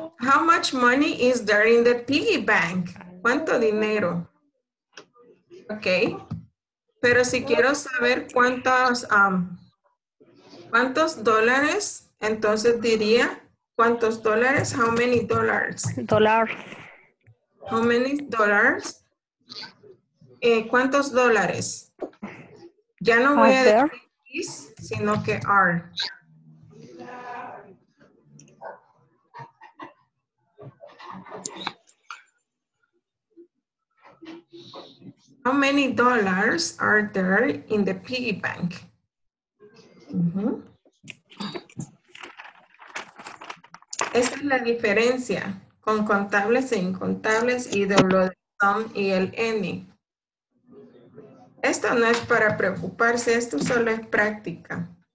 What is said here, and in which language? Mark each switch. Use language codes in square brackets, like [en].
[en] How much money is there in the piggy bank? [es] ¿Cuánto dinero? Okay. Pero si quiero saber cuántos dólares, entonces diría, ¿cuántos dólares? [en] How many dollars? Dollars. How many dollars? [es] ¿Cuántos dólares? Ya no voy a decir is, sino que are. [en] How many dollars are there in the piggy bank? [es] Esa es la diferencia con contables e incontables y de lo de sum y el any. Esto no es para preocuparse, esto solo es práctica.